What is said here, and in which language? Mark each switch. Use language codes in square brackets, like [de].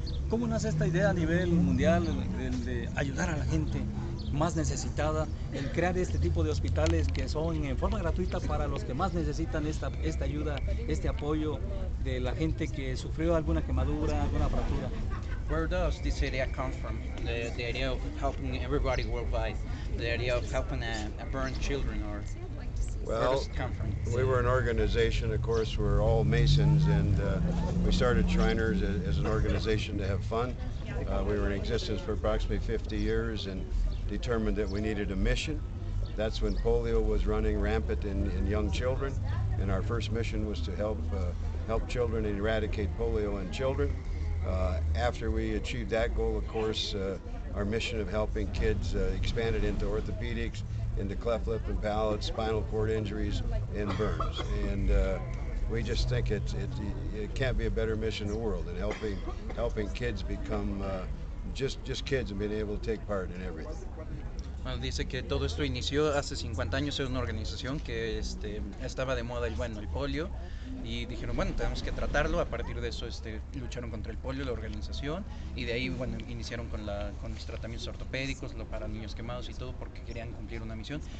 [es] ¿Cómo nace esta idea a nivel mundial de ayudar a la gente más necesitada, el crear este tipo de hospitales que son en forma gratuita para los que más necesitan esta ayuda, este apoyo de la gente que sufrió alguna quemadura, alguna fractura? [en] Where does this idea come from? The idea of helping everybody worldwide, the idea of helping a burned children, or well, where does it come from? We were an organization, of course, we're all Masons, and we started Shriners as an organization to have fun. We were in existence for approximately 50 years, and determined that we needed a mission. That's when polio was running rampant in young children, and our first mission was to help children and eradicate polio in children. After we achieved that goal, of course, our mission of helping kids expanded into orthopedics, into cleft lip and palate, spinal cord injuries, and burns. And we just think it can't be a better mission in the world than helping kids become just kids and being able to take part in everything. [es] Bueno, dice que todo esto inició hace 50 años en una organización que estaba de moda el polio, y dijeron, bueno, tenemos que tratarlo. A partir de eso lucharon contra el polio, la organización, y de ahí, bueno, iniciaron con los tratamientos ortopédicos, lo para niños quemados y todo, porque querían cumplir una misión.